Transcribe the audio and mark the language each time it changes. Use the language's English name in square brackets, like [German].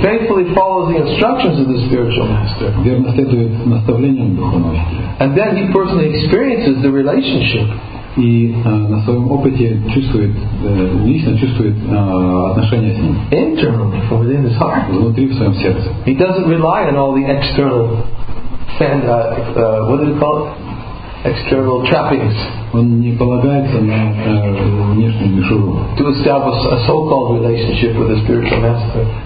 [English] Faithfully follows the instructions of the spiritual master. [Russian] Верно следует наставлениям духовного учителя. [English] And then he personally experiences the relationship. [Russian] И на своем опыте чувствует, лично чувствует отношения с ним. [English] Internally, from within his heart. [Russian] Внутри, в своем сердце. [English] He doesn't rely on all the external what is it called? External trappings. [Russian] Он не полагается на внешнюю мишуру. [English] To establish a so-called relationship with the spiritual master.